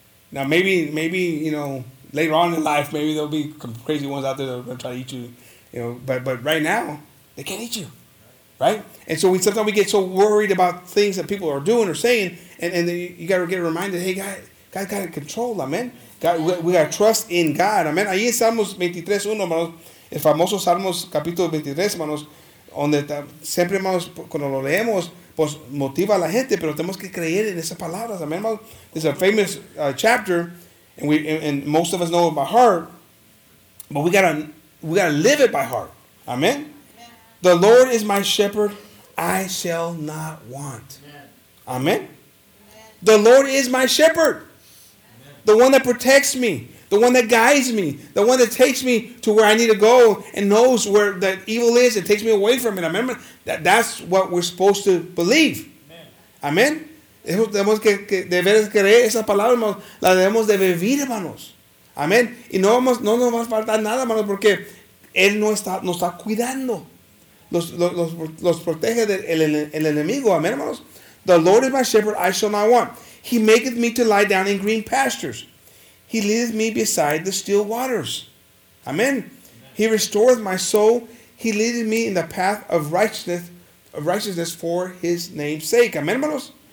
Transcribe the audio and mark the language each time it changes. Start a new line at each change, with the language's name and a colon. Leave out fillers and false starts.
English: Now, maybe, you know, later on in life, maybe there'll be some crazy ones out there that are going to try to eat you, you know. But right now, they can't eat you, right? And so sometimes we get so worried about things that people are doing or saying, and then you got to get reminded, hey, God got to control, amen. God, we got to trust in God, amen.
Spanish: Ahí en Salmos 23:1, hermanos, el famoso Salmos capítulo 23, hermanos, donde siempre, hermanos, cuando lo leemos, pues motiva a la gente, pero tenemos que creer en esas palabras, amen, hermanos.
English: It's a famous chapter. And most of us know it by heart, but we gotta live it by heart. Amen. Yeah. The Lord is my shepherd; I shall not want. Yeah. Amen. Yeah. The Lord is my shepherd, yeah. The one that protects me, the one that guides me, the one that takes me to where I need to go and knows where the evil is and takes me away from it. Amen. That's what we're supposed to believe. Yeah. Amen.
Spanish: Tenemos que deber creer esa palabra, hermanos. La debemos de vivir, hermanos. Amén. Y no nos va a faltar nada, hermanos, porque Él nos está cuidando. Los protege del enemigo. Amén, hermanos.
English: The Lord is my shepherd, I shall not want. He maketh me to lie down in green pastures. He leadeth me beside the still waters. Amén. He restoreth my soul. He leadeth me in the path of righteousness for His name's sake. Amén, hermanos.